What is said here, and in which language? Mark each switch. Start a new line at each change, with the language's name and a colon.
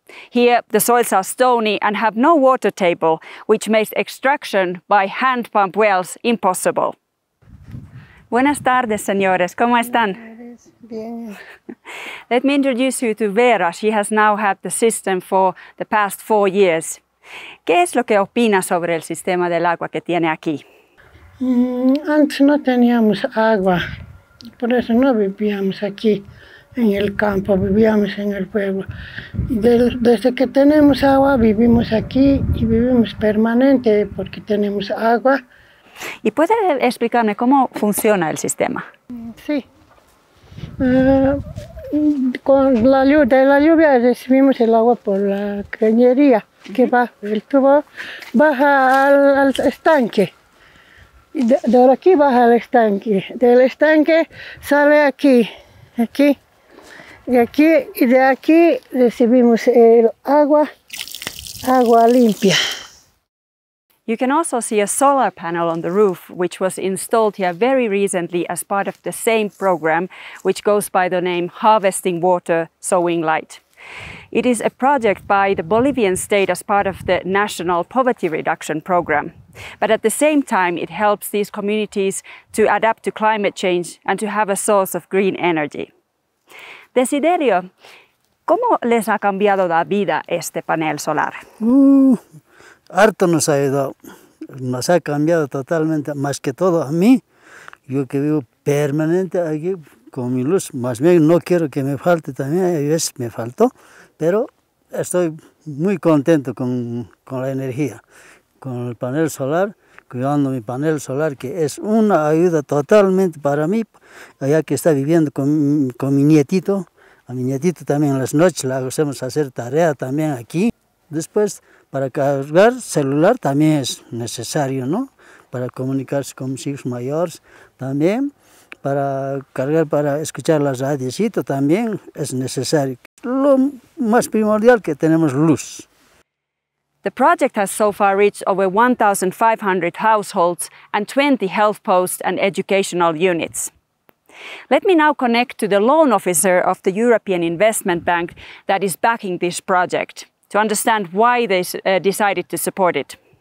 English: Here, the soils are stony and have no water table, which makes extraction by hand pump wells impossible.
Spanish: Buenas tardes, señores. ¿Cómo están? Bien.
English: Let me introduce you to Vera. She has now had the system for the past 4 years.
Spanish: ¿Qué es lo que opina sobre el sistema del agua que tiene aquí? Antes no teníamos agua, por eso no vivíamos aquí en el campo, vivíamos en el pueblo. Desde que tenemos agua vivimos aquí y vivimos permanente porque tenemos agua. ¿Y puede explicarme cómo funciona el sistema? Sí. Con la lluvia, de la lluvia recibimos el agua por la cañería que va, el tubo baja al estanque, de aquí baja al estanque, del estanque sale aquí y de aquí recibimos el agua limpia.
English: You can also see a solar panel on the roof, which was installed here very recently as part of the same program, which goes by the name Harvesting Water, Sowing Light. It is a project by the Bolivian State as part of the National Poverty Reduction Program. But at the same time, it helps these communities to adapt to climate change and to have a source of green energy.
Spanish: Desiderio, ¿cómo les ha cambiado la vida este panel solar? Harto nos ha ayudado, nos ha cambiado totalmente, más que todo a mí, yo que vivo permanente aquí con mi luz, más bien no quiero que me falte también, a veces me faltó, pero estoy muy contento con la energía, con el panel solar, cuidando mi panel solar, que es una ayuda totalmente para mí, ya que está viviendo con mi nietito, a mi nietito también en las noches le hacemos hacer tarea también aquí. Después, para cargar celular también es necesario, ¿no? Para comunicarse con mis hijos mayores también. Para cargar, para escuchar las radiositas también es necesario. Lo más primordial que tenemos luz.
English: The project has so far reached over 1,500 households and 20 health posts and educational units. Let me now connect to the loan officer of the European Investment Bank that is backing this project, to understand why they decided to support it.